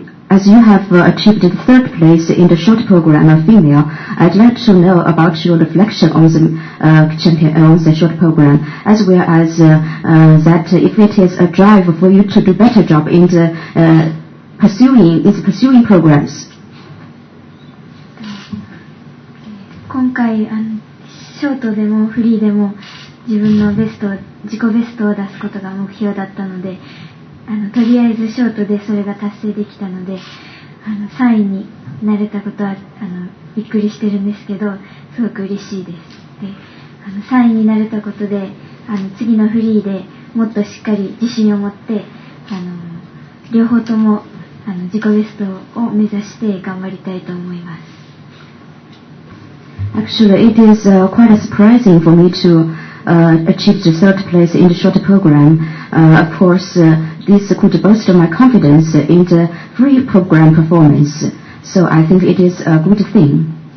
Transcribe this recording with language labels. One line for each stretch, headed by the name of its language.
English: As you have achieved the third place in the short program of female, I'd like to know about your reflection on the champion on the short program, as well as that if it is a drive for you to do better job in the pursuing programs.
Japanese: 今回ショートでもフリーでも自分のベスト自己ベストを出すことが目標だったので。とりあえずショートでそれが達成できたので3位になれたことはびっくりしてるんですけどすごく嬉しいです。で3位になれたことで次のフリーでもっとしっかり自信を持って両方とも自己ベストを目指して頑張りたいと思います。
English: Actually, it is quite surprising for me to achieve the third place in the short program. Of course, this could boost my confidence in the free program performance. So I think it is a good thing.